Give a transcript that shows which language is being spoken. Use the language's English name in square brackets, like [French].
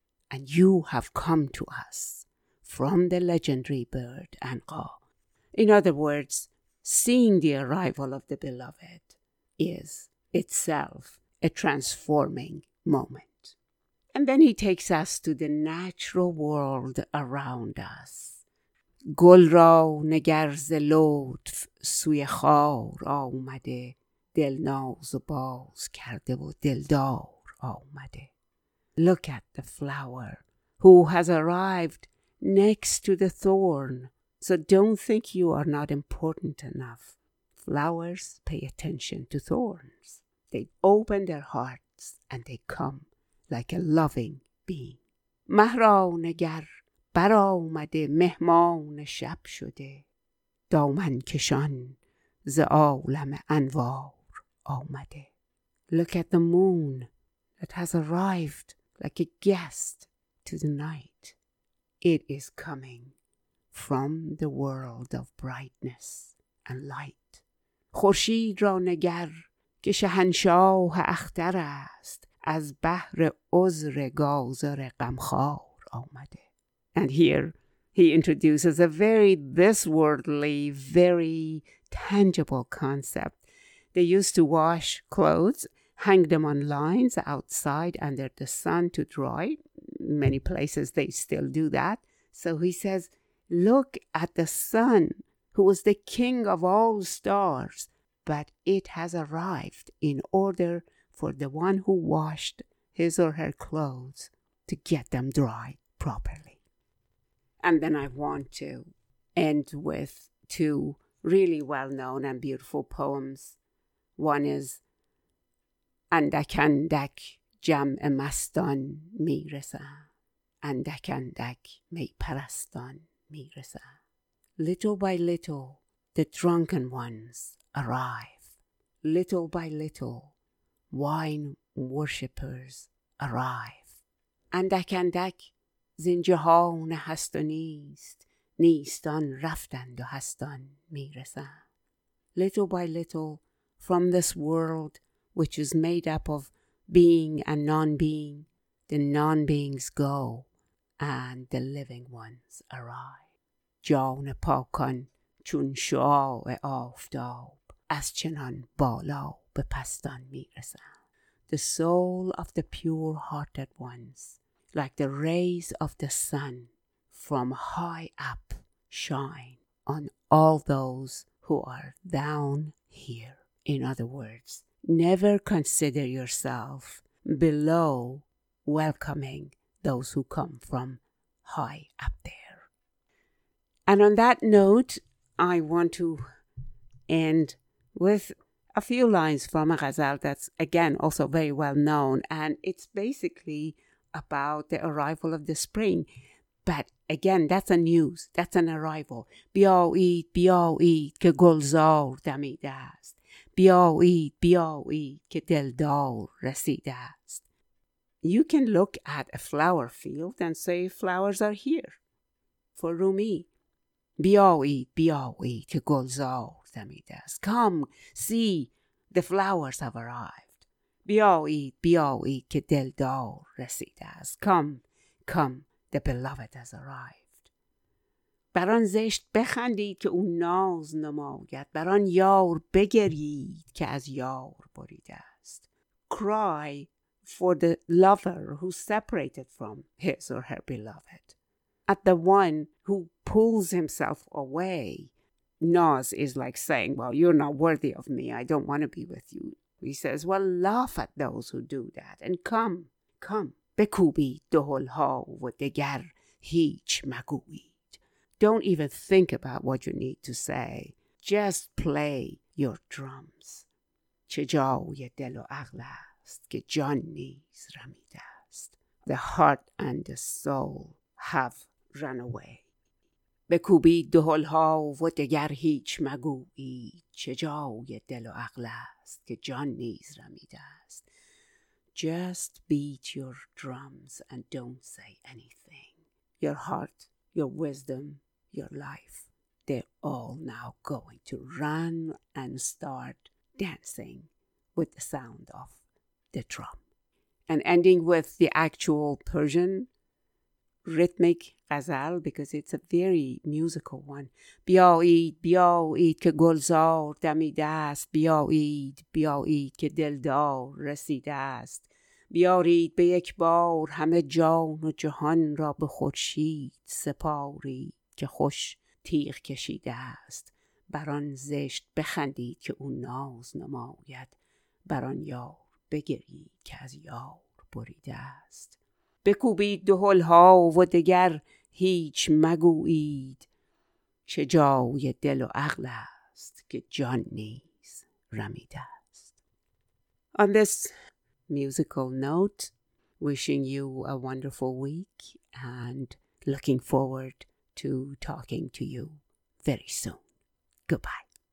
[English] And you have come to us from the legendary bird Anqa. In other words, seeing the arrival of the beloved is itself a transforming moment. And then he takes us to the natural world around us. [Persian] گل را نگر ز لطف سوی خار آمده, دل ناز و باز کرده و دلدار آمده. [English] Look at the flower who has arrived next to the thorn. So don't think you are not important enough. flowers pay attention to thorns. They open their hearts and they come like a loving being. [Persian] مهران گر بر آمده مهمان شب شده دامن کشان ز عالم انوار آمده. [English] Look at the moon that has arrived like a guest to the night. It is coming from the world of brightness and light. [Persian] خورشید را نگر که شهنشاه اختر است از بحر عذر گازر غمخوار آمده. [English] And here he introduces a very this-worldly, very tangible concept. They used to wash clothes, hang them on lines outside under the sun to dry. Many places they still do that. So he says, look at the sun, who is the king of all stars, but it has arrived in order for the one who washed his or her clothes to get them dry properly. And then I want to end with two really well-known and beautiful poems. One is [Persian] اندک اندک جمع مستان میرسن اندک اندک می پرستان میرسن. [English] Little by little, the drunken ones arrive. Little by little, wine worshippers arrive. [Persian] اندک اندک زین جهان هست و نیست نیستان رفتند و هستان میرسن. [English] Little by little, from this world, which is made up of being and non-being, the non-beings go and the living ones arrive. [Persian] جان پاکان چون شعاع آفتاب از چنان بالا به پستان میرسن. [English] The soul of the pure-hearted ones, like the rays of the sun, from high up shine on all those who are down here. In other words, never consider yourself below welcoming those who come from high up there. And on that note, I want to end with a few lines from a ghazal that's, again, also very well known. And it's basically about the arrival of the spring. But again, that's a news. That's an arrival. [Persian] بیایید بیایید که گلزار دمیده است. بیایید بیایید که دلدار رسیده است. [English] You can look at a flower field and say flowers are here. For Rumi, [Persian] بیایید بیایید که گلزار دمیده است. [English] Come, see, the flowers have arrived. [Persian] بیایید بیایید که دلدار رسیده است. [English] Come, come, the beloved has arrived. [Persian] بران زشت بخندید که اون ناز نماید. بران یار بگرید که از یار بریده است. [English] Cry for the lover who separated from his or her beloved. At the one who pulls himself away. Naz is like saying, well, you're not worthy of me. I don't want to be with you. He says, well, laugh at those who do that and come, come. [Persian] بکوبید دهل‌ها و دگر هیچ مگوید. [English] Don't even think about what you need to say. Just play your drums. [Persian] چه جای دل و عقل است که جان نیز رمیده است. [English] The heart and the soul have run away. [Persian] بکوبید دهل‌ها و دگر هیچ مگوید. چه جای دل و عقل است که جان نیز رمیده است. [English] Just beat your drums and don't say anything. Your heart, your wisdom, your life, they're all now going to run and start dancing with the sound of the drum. And ending with the actual Persian rhythmic ghazal, because it's a very musical one. [Persian] بیایید بیایید که گلزار دمیده است. بیایید بیایید که دلدار رسیده است. بیارید به یک بار همه جان و جهان را به خورشید سپارید که خوش تیغ کشیده است. بران زشت بخندید که اون ناز نماید. بران یار بگرید که از یار بریده است. بکوبید دهل‌ها و دگر هیچ مگویید. چه جای دل و عقل است که جان نیز رمیده است. [English] On this musical note, wishing you a wonderful week and looking forward to talking to you very soon. Goodbye.